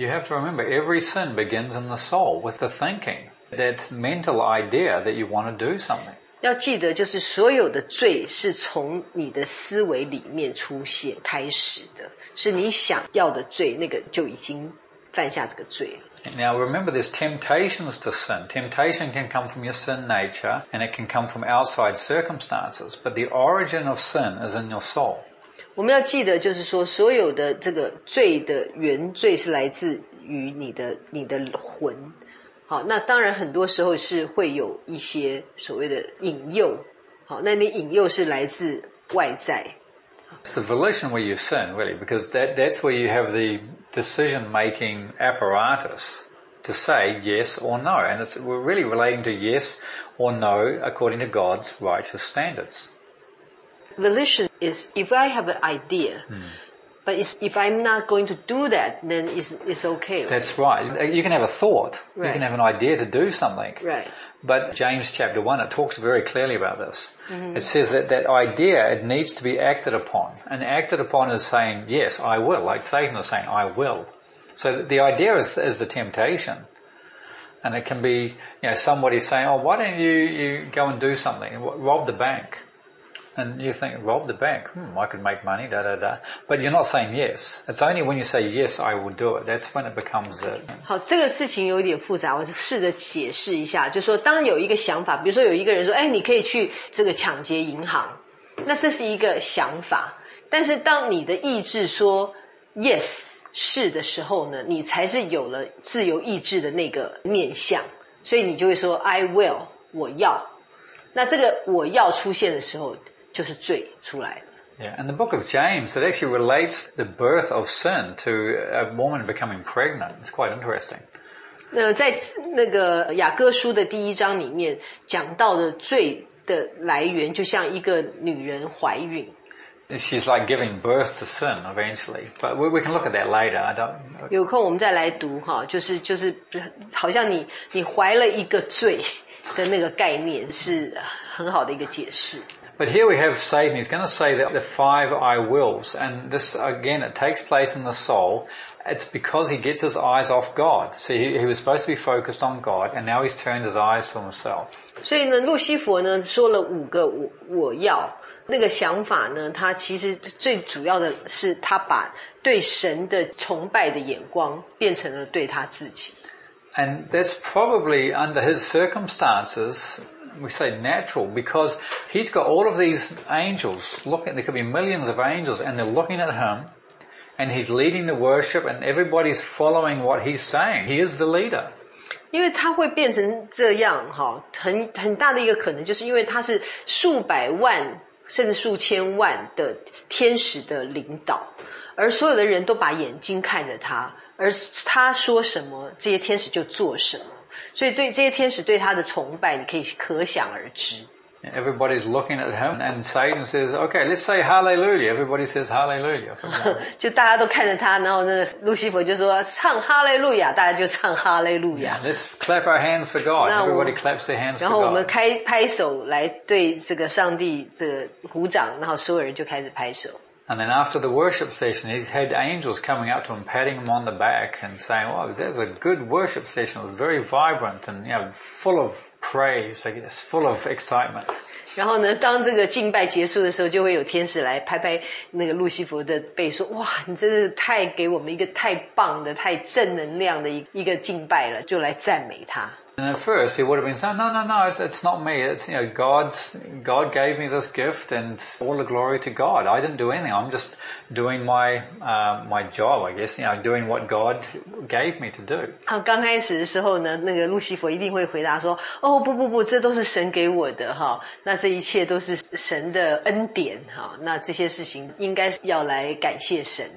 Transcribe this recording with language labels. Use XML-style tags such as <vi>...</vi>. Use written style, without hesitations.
<en>You have to remember, every sin begins in the soul with the thinking, that mental idea that you want to do something.</en> <zh>要记得，就是所有的罪是从你的思维里面出现开始的，是你想要的罪，那个就已经犯下这个罪了。</zh> <en>Now remember there's temptations to sin. Temptation can come from your sin nature and it can come from outside circumstances. But the origin of sin is in your soul.</en> <zh>我们要记得就是说所有的这个罪的原罪是来自于你的魂。好，那当然很多时候是会有一些所谓的引诱。好，那你引诱是来自外在。</zh> <en>It's the volition where you sin, really, because that's where you have the decision-making apparatus to say yes or no. And it's really relating to yes or no according to God's righteous standards. Volition is if I have an idea,But if I'm not going to do that, then it's okay. That's right. You can have a thought. Right. You can have an idea to do something. Right. But James chapter 1, it talks very clearly about this. Mm-hmm. It says that idea, it needs to be acted upon. And acted upon is saying, yes, I will. Like Satan is saying, I will. So the idea is the temptation. And it can be, you know, somebody saying, oh, why don't you go and do something? Rob the bank. And you think, rob the bank, I could make money, da, da, da. But you're not saying yes. It's only when you say yes, I will do it. That's when it becomes it.</en> <zh>好，这个事情有点复杂，我试着解释一下。就说当有一个想法，比如说有一个人说，哎，你可以去这个抢劫银行。那这是一个想法。但是当你的意志说</zh> <en>yes,</en> <zh>是的时候呢，你才是有了自由意志的那个面向。所以你就会说</zh> <en>I will,</en> <zh>我要。那这个我要出现的时候就是罪出来的。</zh> <en>Yeah, and the book of James, it actually relates the birth of sin to a woman becoming pregnant. It's quite interesting.</en> <zh>在那个雅各书的第一章里面讲到的罪的来源就像一个女人怀孕。</zh> <en>She's like giving birth to sin eventually. But we can look at that later. I don't...</en> <zh>有空我们再来读哈，就是好像你怀了一个罪的那个概念是很好的一个解释。</zh> <en>But here we have Satan, he's going to say that the five I wills, and this again, it takes place in the soul, it's because he gets his eyes off God. So he was supposed to be focused on God, and now he's turned his eyes to himself.</en> <zh>所以呢，路西佛呢，说了五个我要，那个想法呢，他其实最主要的是他把对神的崇拜的眼光变成了对他自己。</zh> <en>And that's probably under his circumstances,we say natural, because he's got all of these angels looking, there could be millions of angels, and they're looking at him, and he's leading the worship, and everybody's following what he's saying. He is the leader.</en> <zh>因为他会变成这样，很大的一个可能，就是因为他是数百万，甚至数千万的天使的领导，而所有的人都把眼睛看着他，而他说什么，这些天使就做什么。所以对这些天使对他的崇拜你可以可想而知。</zh> <en>Everybody's looking at him and Satan says, okay, let's say hallelujah. Everybody says hallelujah.</en> <zh>就大家都看着他，然后那个路西佛就说唱哈利路亚，大家就唱哈利路亚。</zh> <en>Let's clap our hands for God. Everybody claps their hands for God.</en> <zh>然后我们拍手来对这个上帝这个鼓掌，然后所有人就开始拍手。</zh> <en>And then after the worship session, he's had angels coming up to him, patting him on the back and saying, wow, that was a good worship session. It was very vibrant and, you know, full of praise, I guess, full of excitement.</en> <zh>然后呢，当这个敬拜结束的时候，就会有天使来拍拍那个路西佛的背，说，哇，你真的太给我们一个太棒的、太正能量的一个敬拜了，就来赞美他。</zh> <en>And at first, he would have been saying, no, it's not me. It's, you know, God gave me this gift and all the glory to God. I didn't do anything. I'm just doing my job, I guess, you know, doing what God gave me to do.</en> <zh>好，刚开始的时候呢，那个路西佛一定会回答说，哦，不，这都是神给我的，哈，那这一切都是神的恩典，哈，那这些事情应该要来感谢神。</zh>